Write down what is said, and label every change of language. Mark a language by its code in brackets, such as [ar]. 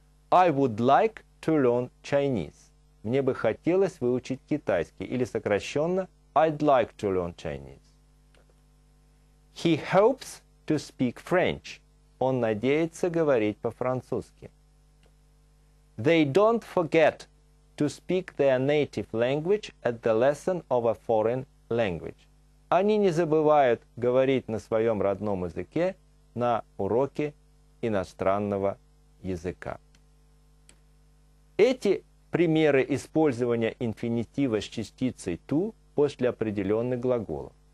[en] I would like to learn Chinese. [ru] Мне бы хотелось выучить китайский, или сокращенно [en] I'd like to learn Chinese. He hopes to speak French. [ru] Он надеется говорить по-французски. [en] They don't forget to speak their native language at the lesson of a foreign language. [ru] Они не забывают говорить на своем родном языке на уроке иностранного языка. Эти примеры использования инфинитива с частицей to после определенных глаголов.